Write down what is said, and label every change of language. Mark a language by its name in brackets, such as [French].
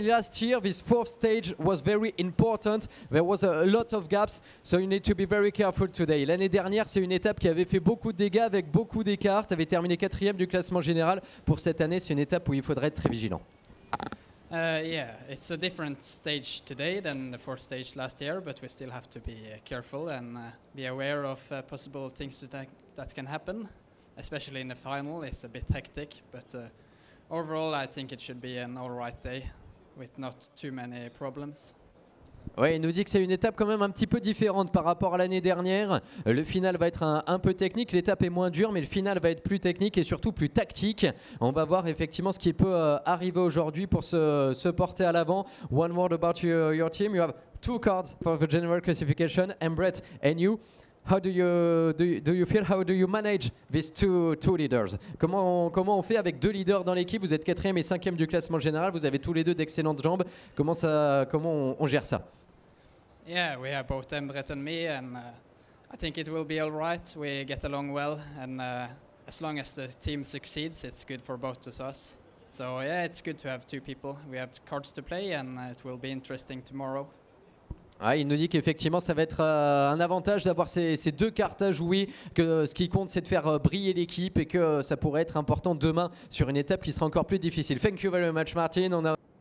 [English] Last year, this fourth stage was very important. There was a lot of gaps, so you need to be very careful today. [French] L'année dernière, c'est une étape qui avait fait beaucoup de dégâts avec beaucoup d'écarts. Tu avais terminé quatrième du classement général. Pour cette année, c'est une étape où il faudrait être très vigilant. [English] Yeah, it's a different stage today than the fourth stage last year, but we still have to be careful and be aware of possible things that can happen, especially in the final. It's a bit hectic, but overall, I think it should be an all right day with not too many problems. [French] Oui, il nous dit que c'est une étape quand même un petit peu différente par rapport à l'année dernière. Le final va être un peu technique, l'étape est moins dure, mais le final va être plus technique et surtout plus tactique. On va voir effectivement ce qui peut arriver aujourd'hui pour se porter à l'avant. [English] One word about your team. You have two cards for the general classification, Embret and you. How do you feel? How do you manage these two leaders? [French] Comment on fait avec deux leaders dans l'équipe? Vous êtes quatrième et cinquième du classement général. Vous avez tous les deux d'excellentes jambes. Comment on gère ça? [English] Yeah, we are both Embret and me, and I think it will be all right. We get along well, and as long as the team succeeds, it's good for both of us. So yeah, it's good to have two people. We have cards to play, and it will be interesting tomorrow. [French] Ah, il nous dit qu'effectivement ça va être un avantage d'avoir ces deux cartes à jouer, que ce qui compte c'est de faire briller l'équipe et que ça pourrait être important demain sur une étape qui sera encore plus difficile. [English] Thank you very much, Martin.